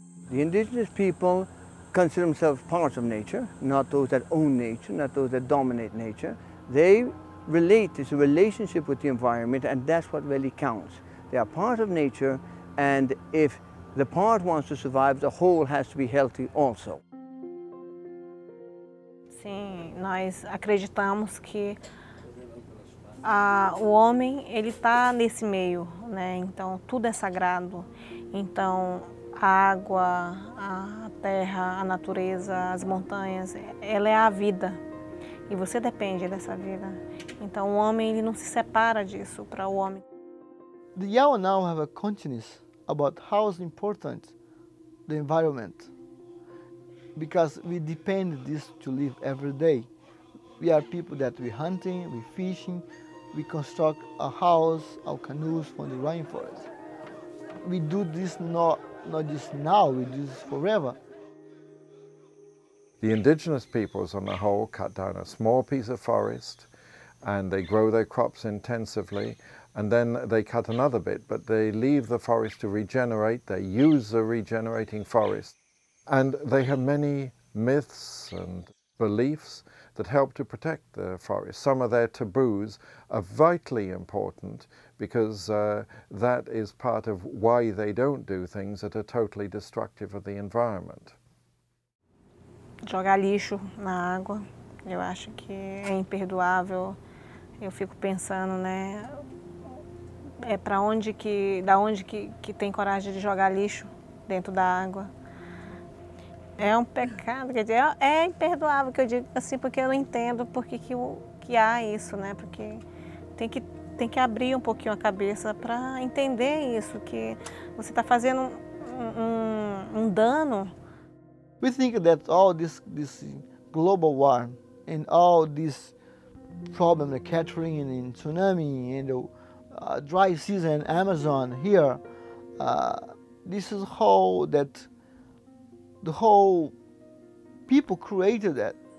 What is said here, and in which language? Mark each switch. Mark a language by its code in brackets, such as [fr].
[en] The indigenous people consider themselves parts of nature, not those that own nature, not those that dominate nature. They relate, it's a relationship with the environment, and that's what really counts. They are part of nature, and if the part wants to survive, the whole has to be healthy also. [pt] Sim, nós acreditamos que o homem, ele está nesse meio, né? Então, tudo é sagrado. Então, a água, a terra, a natureza, as montanhas, ela é a vida. E você depende dessa vida. Então o homem, ele não se separa disso para o homem. [en] The Yao now have a consciousness about how important the environment because we depend this to live every day. We are people that we hunting, we fishing, we construct a house, our canoes from the rainforest. We do this not just now, we do this forever. The indigenous peoples on the whole cut down a small piece of forest and they grow their crops intensively, and then they cut another bit, but they leave the forest to regenerate, they use the regenerating forest. And they have many myths and beliefs that help to protect the forest. Some of their taboos are vitally important because that is part of why they don't do things that are totally destructive of the environment. [pt] Jogar lixo na água, eu acho que é imperdoável. Eu fico pensando, né? É para onde que, da onde que tem coragem de jogar lixo dentro da água? É um pecado, quer dizer, é imperdoável que eu digo assim, porque eu não entendo por que há isso, né? Porque tem que abrir um pouquinho a cabeça para entender isso, que você está fazendo um dano. [en] We think that all this global war and all this problem, the catering and tsunami and the dry season, Amazon here, this is how that the whole people created that.